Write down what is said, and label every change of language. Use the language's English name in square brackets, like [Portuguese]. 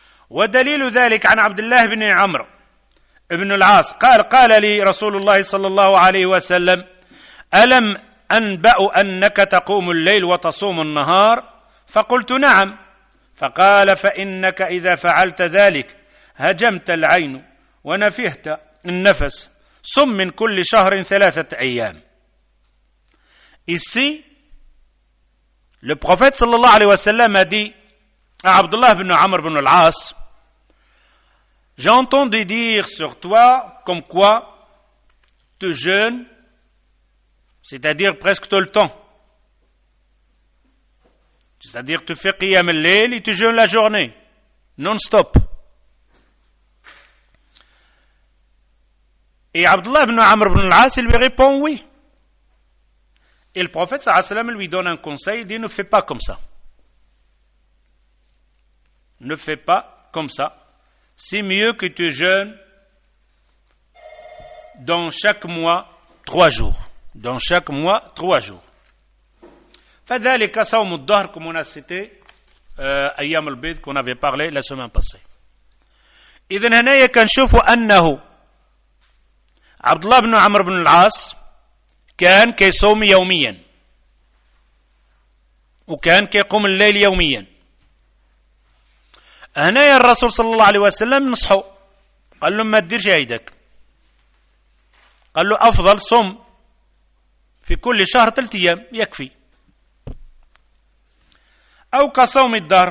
[Arabic] ودليل ذلك عن عبد الله بن عمرو بن العاص قال لي رسول الله صلى الله عليه وسلم ألم أنبأ أنك تقوم الليل وتصوم النهار فقلت نعم فقال فإنك إذا فعلت ذلك هجمت العين ونفهت النفس صم من كل شهر ثلاثة أيام. [French] Ici le prophète sallallahu alayhi wa sallam a dit à Abdullah ibn Amr ibn al-As, j'entends dire sur toi comme quoi tu jeûnes, c'est-à-dire presque tout le temps. C'est-à-dire tu fais qiyam al-layl et tu jeûnes la journée, non-stop. Et Abdullah ibn Amr ibn al-As, il lui répond oui. Et le prophète, sallallahu alayhi wa sallam, lui donne un conseil, il dit ne fais pas comme ça. Ne fais pas comme ça. C'est mieux que tu jeûnes dans chaque mois 3 jours. Dans chaque mois, 3 jours. [Arabic] فذلك صوم الظهر, [French] comme on a cité, Ayyam al-Bid, qu'on avait parlé la semaine passée. [Arabic] إذن هنا كنشوف أنه عبد الله بن عمرو بن العاص كان كيصوم يوميا وكان كيقوم الليل يوميا. هنا الرسول صلى الله عليه وسلم نصحه قال له ما تديرش عيدك، قال له أفضل صوم في كل شهر 3 أيام يكفي أو كصوم الدهر.